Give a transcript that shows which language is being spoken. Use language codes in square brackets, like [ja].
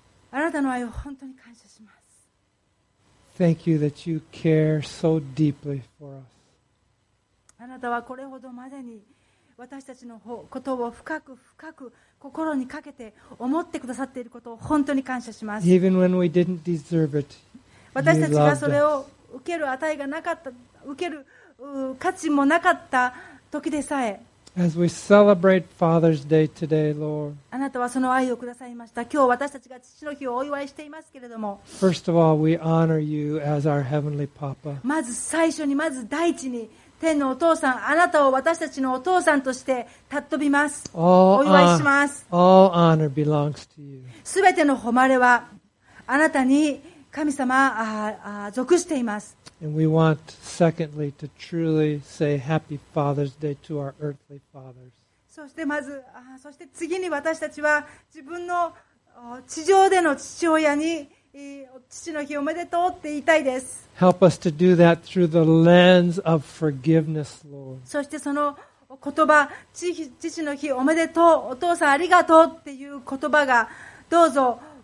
[ja] あなたの愛を本当に感謝します。 [en] Thank you that you care so deeply for us. [ja] あなたはこれほどまでに私たちのことを深く深く心にかけて思ってくださっていることを本当に感謝します。 [en] Even when we didn't deserve it. [ja] 私たちがそれを受ける値がなかった、受ける価値もなかった時でさえ、 [en] As we celebrate Father's Day today, Lord, [ja] あなたはその愛をくださいました。今日私たちが父の日をお祝いしていますけれども、 [en] First of all, we honor you as our heavenly Papa. [ja] まず最初に、まず第一に、天のお父さん、あなたを私たちのお父さんとして尊びます。 [en] All、 [ja] お祝いします。 [en] All honor belongs to you. [ja] すべての誉れはあなたに。神様、属しています。 [en] And we want, secondly, to truly say Happy Father's Day to our earthly fathers. [ja] そしてまず、そして次に私たちは自分の地上での父親に父の日おめでとうって言いたいです。 [en] Help us to do that through the lens of forgiveness, Lord. [ja] そしてその言葉、父の日おめでとう、お父さんありがとうっていう言葉がどうぞ。